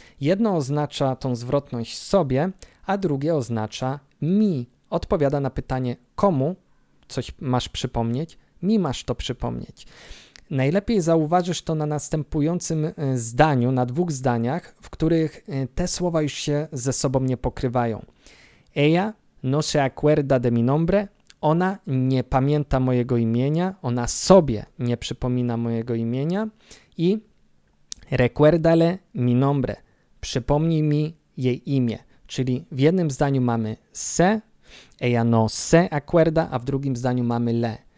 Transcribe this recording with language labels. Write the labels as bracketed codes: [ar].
[pl] Jedno oznacza tą zwrotność sobie, a drugie oznacza mi. Odpowiada na pytanie, komu coś masz przypomnieć? Mi masz to przypomnieć. Najlepiej zauważysz to na następującym zdaniu, na dwóch zdaniach, w których te słowa już się ze sobą nie pokrywają. [es] Ella no se acuerda de mi nombre. [pl] Ona nie pamięta mojego imienia, ona sobie nie przypomina mojego imienia i [es] recuérdale mi nombre, [pl] przypomnij mi jej imię. Czyli w jednym zdaniu mamy se, [es] ella no se acuerda, [pl] a w drugim zdaniu mamy le.